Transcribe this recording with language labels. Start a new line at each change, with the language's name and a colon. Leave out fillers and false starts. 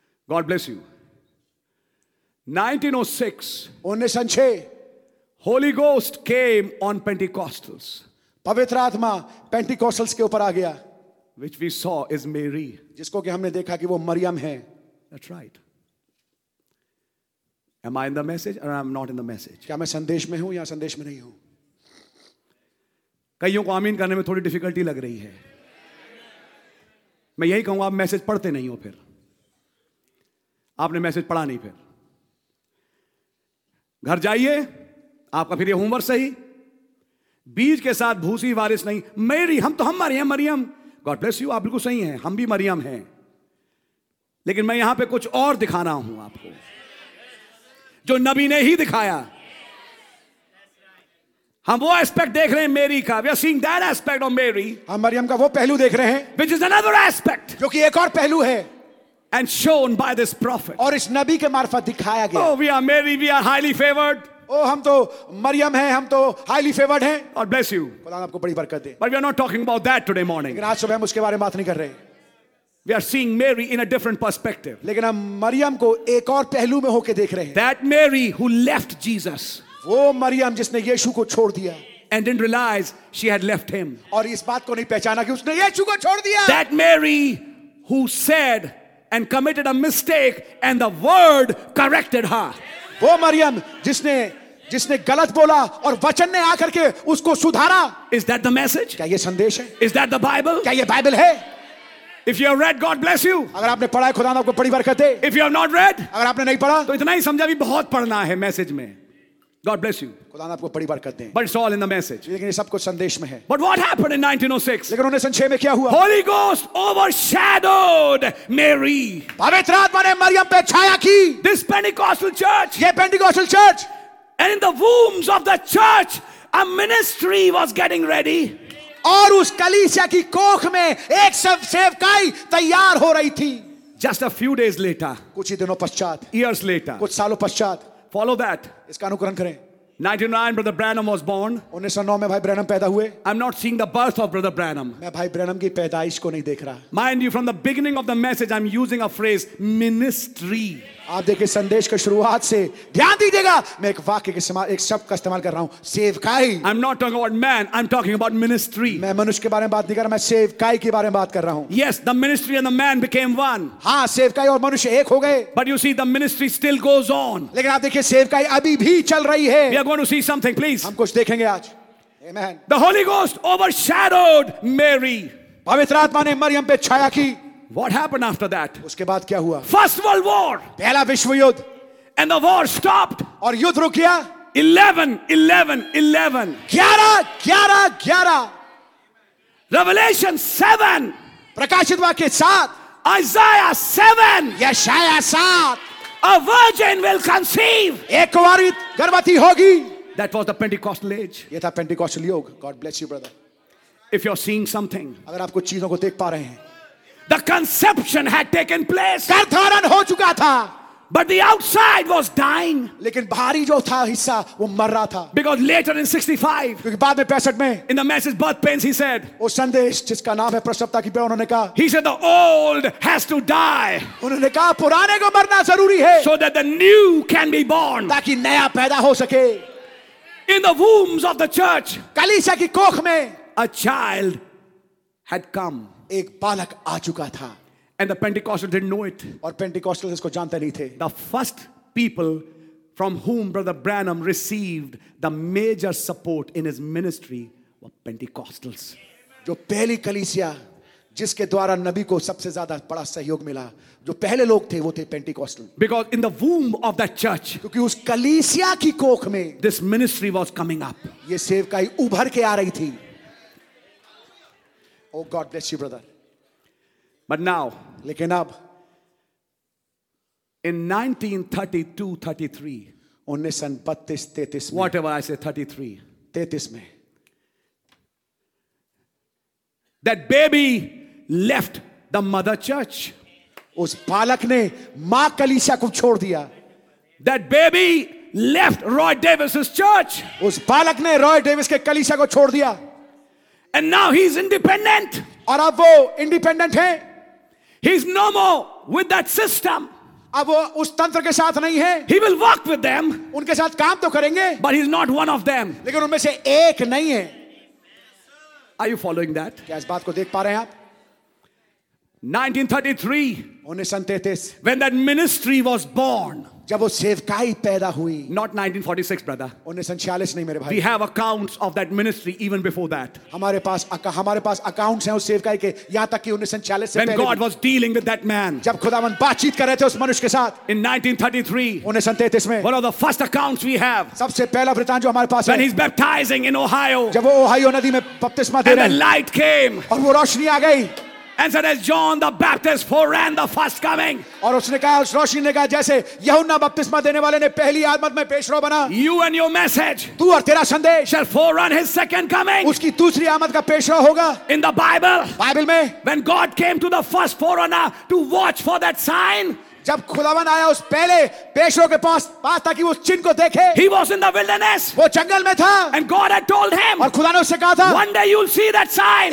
English: God bless you. 1906. 1906. Holy ghost came on Pentecostals.
Hindi: पवित्र आत्मा Pentecostals के ऊपर आ गया.
English: Which we saw is Mary.
Hindi: जिसको कि हमने देखा कि वो मरियम है.
English: That's right. Am I in the message or I'm not in the message?
Hindi: क्या मैं संदेश में हूं या संदेश में नहीं हूं? कईयों को आमीन करने में थोड़ी डिफिकल्टी लग रही है. मैं यही कहूंगा, आप मैसेज पढ़ते नहीं हो. फिर आपने मैसेज पढ़ा नहीं. फिर घर जाइए, आपका फिर यह होमवर्क सही. बीज के साथ भूसी वारिस नहीं. मेरी, हम तो हम Maryam Maryam. God bless you, आप बिल्कुल सही हैं, हम भी मरियम हैं. लेकिन मैं यहां पर कुछ और दिखा रहा हूं आपको, जो नबी ने ही दिखाया. हम वो एस्पेक्ट देख रहे हैं मेरी का.
English: We are seeing that aspect of Mary.
Hindi: हम मरियम का वो पहलू देख रहे हैं,
English: which is another aspect,
Hindi: जो कि एक और पहलू है.
English: and shown by this prophet,
Hindi: और इस नबी के मार्फत दिखाया गया.
English: Oh, we are Mary, we are highly favoured.
Hindi: ओह, हम तो मरियम हैं, हम तो
English: highly favoured
Hindi: हैं.
English: और bless you,
Hindi: खुदा आपको बड़ी बरकत दे.
English: But we are not talking about that today morning.
Hindi: आज सुबह हम उसके बारे में बात नहीं कर रहे.
English: We are seeing Mary in a different perspective.
Hindi: लेकिन हम मरियम को एक और पहलू में होके देख रहे हैं.
English: That Mary who left Jesus.
Hindi: वो मरियम जिसने यीशु को छोड़ दिया.
English: And didn't realize she had left him.
Hindi: और इस बात को नहीं पहचाना कि उसने यीशु को छोड़ दिया.
English: That Mary who said and committed a mistake and the word corrected her.
Hindi: वो मरियम जिसने गलत बोला और वचन ने आकर के उसको सुधारा.
English: Is that the message?
Hindi: क्या ये संदेश है?
English: Is that the Bible?
Hindi: क्या ये बाइबल है?
English: If you have read, God bless you.
Hindi: अगर आपने पढ़ा है, खुदा आपको बड़ी बरकत दे.
English: If you have not read,
Hindi: अगर आपने नहीं पढ़ा, तो इतना ही समझा भी बहुत पढ़ना है मैसेज में.
English: God bless you.
Hindi: खुदा आपको बड़ी बरकत दे.
English: But it's all in the message.
Hindi: लेकिन ये सब कुछ संदेश में है.
English: But what happened in 1906?
Hindi: लेकिन 1906 में क्या हुआ?
English: Holy Ghost overshadowed Mary.
Hindi: पवित्र आत्मा ने मरियम पे छाया की.
English: This Pentecostal church. ये Pentecostal church. And in the wombs of the church, a ministry was getting ready.
Hindi: और उस कलीसिया की कोख में एक सेवकाई तैयार हो रही थी.
English: just a few days later,
Hindi: कुछ ही दिनों पश्चात.
English: years later,
Hindi: कुछ सालों पश्चात.
English: follow that,
Hindi: इसका अनुकरण करें.
English: 1909 brother Branham was born.
Hindi: 1909 में भाई ब्रैनम पैदा हुए.
English: I am not seeing the birth of brother Branham.
Hindi: मैं भाई ब्रैनम की पैदाइश को नहीं देख रहा.
English: Mind you, from the beginning of the message I am using a phrase ministry.
Hindi: आप देखिए संदेश के शुरुआत से ध्यान दीजिएगा, मैं एक वाक्य के समान एक शब्द का इस्तेमाल कर रहा हूं, सेवकाई.
English: I'm not talking about man, I'm talking about ministry.
Hindi: मैं मनुष्य के बारे में बात नहीं कर रहा, मैं सेवकाई के बारे में बात कर रहा हूं.
English: Yes, the ministry and the man became one.
Hindi: हाँ, सेवकाई और मनुष्य एक हो गए.
English: But you see, the ministry still goes on.
Hindi: लेकिन आप देखिए सेवकाई अभी भी चल रही है.
English: We are going to see something, please.
Hindi: हम कुछ देखेंगे आज. Amen.
English: The Holy Ghost overshadowed Mary.
Hindi: पवित्र आत्मा ने मरियम पे छाया की.
English: What happened after that?
Hindi: उसके बाद क्या हुआ?
English: First World War.
Hindi: पहला विश्व युद्ध.
English: And the war stopped.
Hindi: और युद्ध रुक गया.
English: 11, 11, 11.
Hindi: 11, 11, 11.
English: Revelation 7.
Hindi: प्रकाशित वाक्य 7.
English: Isaiah 7.
Hindi: यशायाह 7.
English: A virgin will conceive.
Hindi: एक कुंवारी गर्भवती होगी.
English: That was the Pentecostal age.
Hindi: ये था Pentecostal युग.
English: God bless you, brother. If you're seeing something.
Hindi: अगर आप कुछ चीजों को देख पा रहे हैं.
English: The conception had taken place.
Hindi: गर्भधारण हो चुका था.
English: But the outside was dying.
Hindi: लेकिन बाहरी जो था हिस्सा वो मर रहा था.
English: Because later in 65.
Hindi: क्योंकि बाद में 65 में.
English: In the message birth pains he said.
Hindi: वो संदेश जिसका नाम है प्रसवता की पीड़ा, उन्होंने कहा.
English: He said the old has to die.
Hindi: उन्होंने कहा पुराने को मरना जरूरी है.
English: So that the new can be born.
Hindi: ताकि नया पैदा हो सके.
English: In the wombs of the church.
Hindi: कलीसिया की कोख में.
English: A child had come.
Hindi: एक बालक आ चुका था.
English: And the Pentecostals didn't know it.
Hindi: और Pentecostals इसको जानते नहीं थे.
English: The first people from whom Brother Branham received the major support in his ministry were Pentecostals.
Hindi: जो पहली कलीसिया जिसके द्वारा नबी को सबसे ज्यादा बड़ा सहयोग मिला, जो पहले लोग थे वो थे Pentecostal,
English: because in the womb of that church,
Hindi: क्योंकि उस कलीसिया की कोख में
English: this ministry was coming up,
Hindi: ये सेवकाई उभर के आ रही थी.
English: Oh God bless you brother. But now,
Hindi: लेकिन अब
English: इन 1932-33 33
Hindi: में
English: That baby left the mother church.
Hindi: उस बालक ने माँ कलीसिया को छोड़ दिया.
English: That baby left Roy Davis's church.
Hindi: उस बालक ने रॉय डेविस के कलीसिया को छोड़ दिया.
English: And now he's independent.
Hindi: और अब वो इंडिपेंडेंट है.
English: He's no more with that system.
Hindi: अब वो उस तंत्र के साथ नहीं है.
English: He will work with them.
Hindi: उनके साथ काम तो करेंगे.
English: But he's not one of them.
Hindi: लेकिन उनमें से एक नहीं है.
English: Are you following that?
Hindi: क्या इस बात को देख पा रहे हैं आप?
English: 1933, when that ministry was born,
Hindi: जब वो सेवकाई पैदा हुई.
English: Not 1946, brother.
Hindi: 1946 नहीं मेरे भाई.
English: We have accounts of that ministry even before that.
Hindi: हमारे पास accounts हैं उस सेवकाई के, यहाँ तक कि 1946 से पहले.
English: When God was dealing with that man,
Hindi: जब खुदावन बातचीत कर रहे थे उस मनुष्य के साथ.
English: In 1933,
Hindi: 1933 में.
English: One of the first accounts we have.
Hindi: सबसे पहला वृतांत जो हमारे पास है.
English: When he's baptizing in Ohio.
Hindi: जब वो ओहायो नदी में बपतिस्मा दे रहे हैं.
English: And the light came.
Hindi: और वो रोशनी आ गई.
English: And said, as John the Baptist forerun the first coming.
Hindi: और उसने कहा, उस रोशनी ने कहा, जैसे यहूना बपतिस्मा देने वाले ने पहली आगमन में पेशरो बना.
English: You and your message.
Hindi: तू और तेरा संदेश.
English: Shall forerun his second coming.
Hindi: उसकी दूसरी आगमन का पेशरो होगा.
English: In the Bible.
Hindi: बाइबल में.
English: When God came to the first forerunner to watch for that sign.
Hindi: जब खुदावन आया उस पहले पेशरो के पास ताकि वो उस चिन्ह को देखे.
English: He was in the wilderness.
Hindi: वो जंगल में था.
English: And God had told him.
Hindi: और खुदा ने उसे कहा था.
English: One day you'll see that sign.